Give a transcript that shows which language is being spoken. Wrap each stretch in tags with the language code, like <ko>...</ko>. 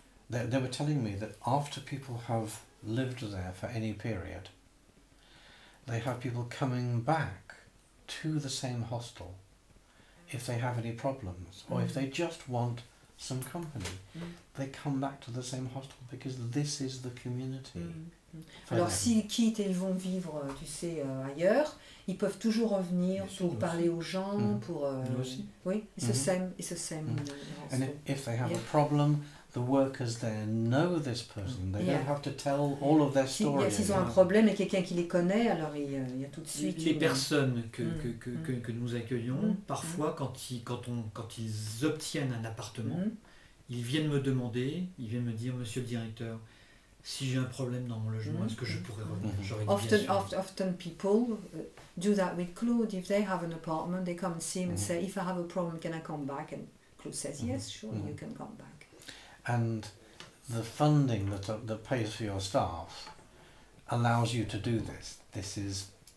<en>They were telling me that after people have lived there for any period, they have people coming back to the same hostel if they have any problems or if they just want some company. Mm. They come back to the same hostel because this is the community. Mm.</en> <fr>Alors s'ils quittent et ils vont vivre, tu sais, ailleurs, ils peuvent toujours revenir pour parler aux gens, pour... Oui,</fr> <en>it's the same. And if they have a problem, the workers there know this person. They don't have to tell all of their stories.</en> <fr>Si ils ont un problème et quelqu'un qui les connaît, alors il y a tout de suite... Les personnes que nous accueillons, parfois, quand ils obtiennent un appartement, ils viennent me demander, ils viennent me dire, monsieur le directeur, si j'ai un problème dans mon logement, est-ce que je pourrais revenir?</fr> <en>Often people do that with Claude. If they have an apartment, they come and see him and say, if I have a problem, can I come back? And Claude says, yes, sure, you can come back. And the funding that pays for your staff allows you to do this.</en>